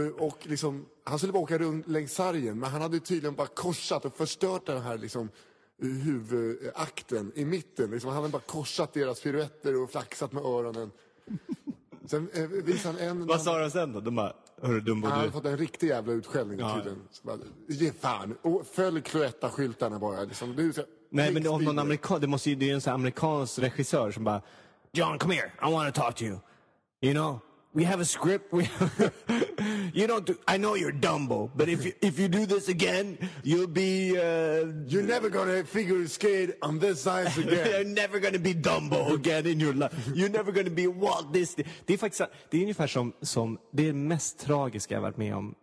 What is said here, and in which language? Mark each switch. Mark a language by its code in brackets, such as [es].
[sv] Och liksom, han skulle bara åka runt längs sargen, men han hade tydligen bara korsat och förstört den här liksom huvudakten i mitten. Liksom, han hade bara korsat deras piruetter och flaxat med öronen. Sen visade han en... Vad sa han sen då? De bara, hörru Dumbo, han hade fått en riktig jävla utskällning till den. Ge fan, och följ Cloetta-skyltarna bara. Liksom, du, så, nej, men om någon amerikan, det, måste ju, det är ju en sån amerikansk regissör som bara... [en] John, come here, I want to talk to you. You know, we have a script. We have... You don't do, I know you're Dumbo, but if you do this again, you'll be... You're never going to figure skate on this size again. You're never going to be Dumbo again in your life. You're never going to be Walt Disney. [sv] Det är faktiskt, det är ungefär som det är mest tragiska jag varit med om.